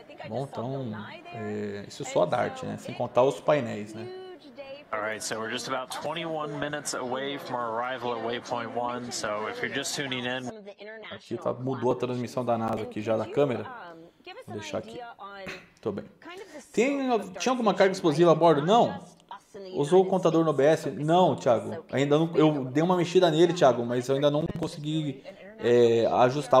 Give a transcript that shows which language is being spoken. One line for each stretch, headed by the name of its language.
Portuguese: Bom, então, isso é só a DART, né? Sem contar os painéis, né?
English: All right, so we're just about 21 minutes away from our arrival at waypoint 1. So, if you're just tuning in.
Portuguese: Aqui tá, mudou a transmissão da NASA aqui já da câmera. Vou deixar aqui. Tô bem. Tinha alguma carga explosiva a bordo? Não. Usou o contador no OBS? Não, Thiago. Ainda não, eu dei uma mexida nele, Thiago, mas eu ainda não consegui ajustar.